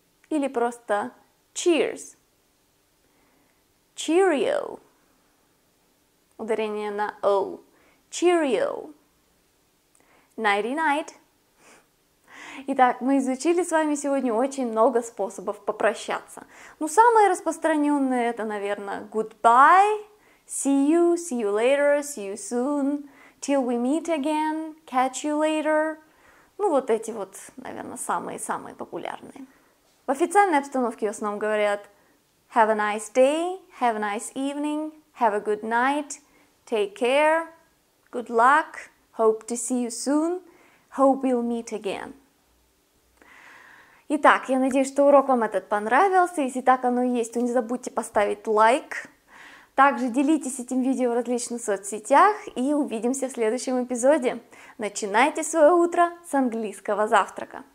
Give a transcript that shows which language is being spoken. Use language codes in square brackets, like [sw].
[ru] Или просто [en] cheers. Cheerio. [ru] Ударение на O. [en] Cheerio. Nighty-night. [ru] Итак, мы изучили с вами сегодня очень много способов попрощаться. Ну, самые распространенные это, наверное, [en] goodbye, see you later, see you soon, till we meet again, catch you later. [ru] Ну, вот эти вот, наверное, самые-самые популярные. В официальной обстановке в основном говорят [en] have a nice day, have a nice evening, have a good night, take care, good luck, hope to see you soon, hope we'll meet again. [ru] Итак, я надеюсь, что урок вам этот понравился. Если так оно и есть, то не забудьте поставить лайк. Также делитесь этим видео в различных соцсетях и увидимся в следующем эпизоде. Начинайте свое утро с английского завтрака.